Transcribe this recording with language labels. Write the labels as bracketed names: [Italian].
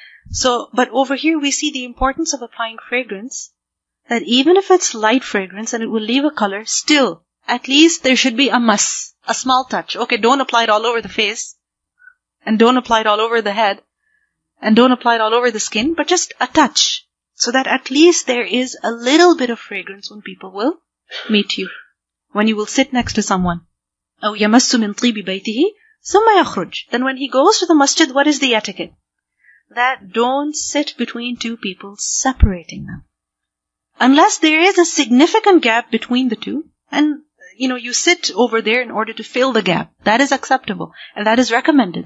[English] So, but over here we see the importance of applying fragrance, that even if it's light fragrance and it will leave a color, still, at least there should be a mass, a small touch. Okay, don't apply it all over the face, and don't apply it all over the head, and don't apply it all over the skin, but just a touch. So that at least there is a little bit of fragrance when people will meet you. When you will sit next to someone. [Arabic] أو يمس من طيب بيته ثم يخرج. [English] Then when he goes to the masjid, what is the etiquette? That don't sit between two people, separating them. Unless there is a significant gap between the two, and you know, you sit over there in order to fill the gap. That is acceptable. And that is recommended.